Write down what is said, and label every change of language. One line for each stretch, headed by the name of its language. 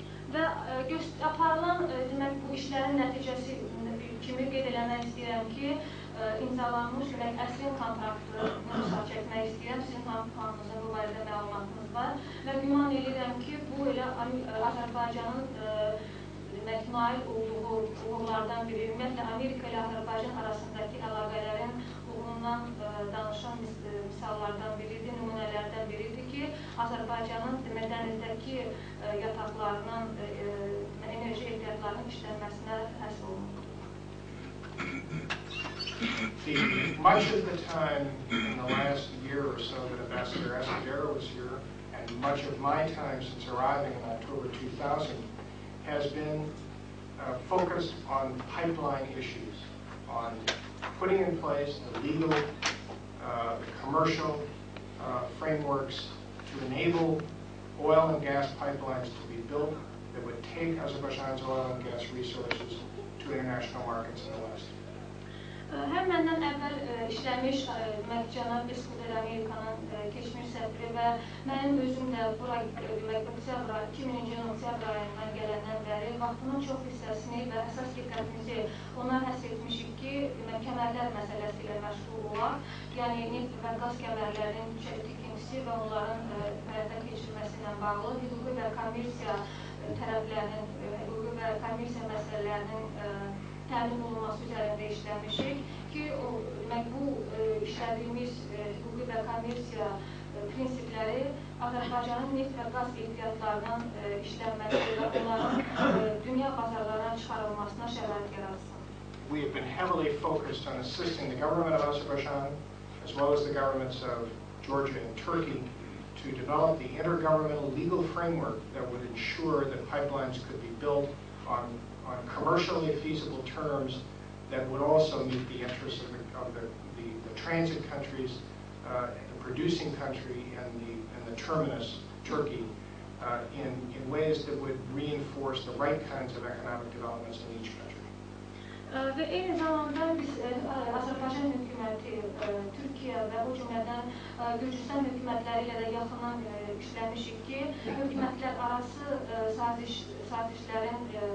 Azerbaijani: Və aparılan, demək, bu işlərin nəticəsi kimi qeyd eləmək istəyirəm ki, imzalanmış demək, əsrin kontraktını misal çəkmək istəyirəm. Sizin planınızda bu barədə məlumatınız var. Və güman edirəm ki, bu elə Azərbaycanın demək, nail olduğu uğurlardan biri, ümumiyyətlə Amerika ilə Azərbaycan arasındakı əlaqələrin uğurundan danışan misallardan biridir, nümunələrdən biridir ki, Azərbaycanın demək, dənizdəki yataqlarının, enerji ehtiyatlarının işlənməsinə həsr olunur.
English: Much of the time in the last year or so that Ambassador Escudero was here, and much of my time since arriving in October 2000, has been focused on pipeline issues, on putting in place the legal, commercial frameworks to enable oil and gas pipelines to be built that would take Azerbaijan's oil and gas resources to international markets in the West.
Azerbaijani: Həm məndən əvvəl işləmiş cənab Escudero Amerikanın keçmiş səfiri və mənim özüm də bura, demək, 2000-ci yılın oktyabr ayından gələndən bəri vaxtının çox hissəsini və əsas diqqətimizi ona həsr etmişik ki, demək, kəmərlər məsələsi ilə məşğul olaq, yəni neft və qaz kəmərlərinin tikintisi və onların həyata keçirilməsi ilə bağlı hüquqi və kommersiya tərəflərinin, hüquqi və kommersiya məsələlərinin təmin olunması üzərində işləmişik ki, bu işlədiyimiz hüquqi və kommersiya prinsipləri Azərbaycanın neft və qaz ehtiyatlarından işlənməsi və onların dünya bazarlarına çıxarılmasına şərait yaratsın.
English: We have been heavily focused on assisting the government of Azerbaijan, as well as the governments of Georgia and Turkey, to develop the intergovernmental legal framework that would ensure that pipelines could be built on commercially feasible terms that would also meet the interests of the transit countries, the producing country, and the terminus, Turkey, in ways that would reinforce the right kinds of economic developments in each country.
Azerbaijani: Və eyni zamanda biz Azərbaycan hökuməti, Türkiyə və o cümlədən Gürcüstan hökumətləri ilə də yaxından işləmişik ki, hökumətlər arası sazişlərin